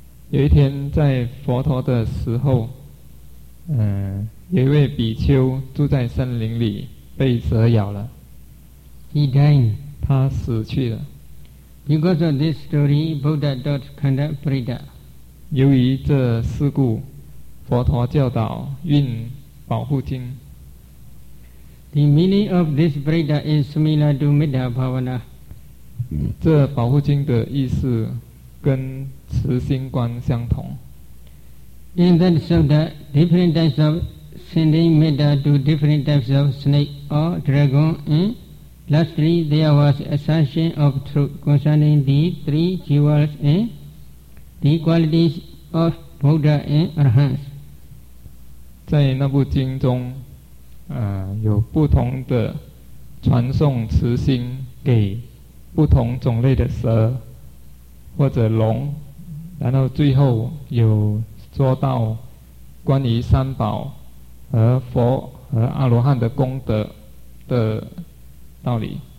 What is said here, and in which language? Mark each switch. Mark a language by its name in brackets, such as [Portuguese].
[Chinese] 有一天在佛陀的时候，有一位比丘住在森林里被蛇咬了。 [English] He died. [Chinese] 他死去了。 [English] Because of this story, Buddha taught Kandapurida. [Chinese] 由于这事故，佛陀教导运保护经。 [English] The meaning of this Brida is similar to Middha Bhavana. [Chinese] 这保护经的意思跟慈心观相同。 [English] In that sutta, different types of sending Middha to different types of snake or dragon, and lastly, there was a assumption of truth concerning the three jewels and the qualities of Buddha and Arhats. [Chinese] 在那部经中有不同的传送慈心给不同种类的蛇或者龙，然后最后有说到关于三宝和佛和阿罗汉的功德的道理。